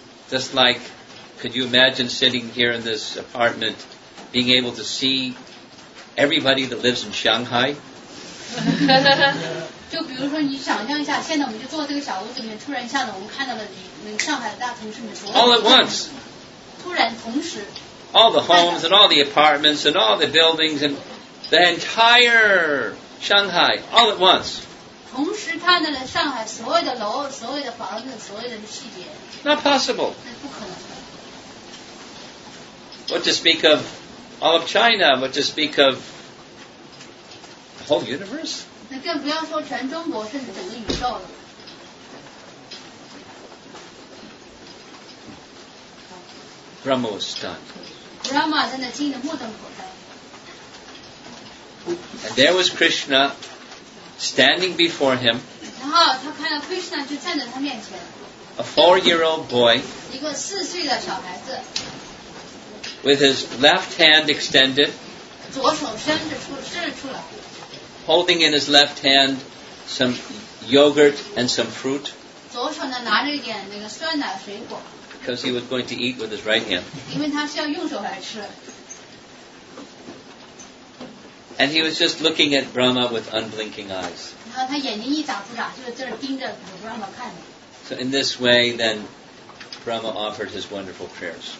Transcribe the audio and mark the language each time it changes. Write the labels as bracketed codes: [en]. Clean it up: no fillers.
[en] Just like, could you imagine sitting here in this apartment being able to see everybody that lives in Shanghai? [zh] 就比如说你想象一下现在我们就坐在这个小屋子里面突然一下子我们看到了上海的大城市里面 [en] All at once [zh] 突然同时 [en] All the homes and all the apartments and all the buildings and the entire Shanghai all at once [zh] 同时看到了上海所有的楼所有的房子所有的细节 [en] Not possible [zh] 那不可能 [en] What to speak of all of China What to speak ofWhole universe? [zh] 那更不要说全中国甚至整个宇宙了。 [en] Brahma was stunned. [zh] Brahma 在那惊得目瞪口呆。 [en] And there was Krishna standing before him. [zh] 然后他看到 Krishna 就站在他面前。 [en] A four-year-old boy. [zh] 一个四岁的小孩子。 [en] With his left hand extended. [zh] 左手伸出来。 [en] Holding in his left hand some yogurt and some fruit. [zh] 左手呢拿着一点那个酸奶水果 [en] Because he was going to eat with his right hand. [zh] 因为他是要用手来吃。 [en] And he was just looking at Brahma with unblinking eyes. [zh] 然后他眼睛一眨不眨，就在这盯着 Brahma 看。 [en] So in this way, then Brahma offered his wonderful prayers.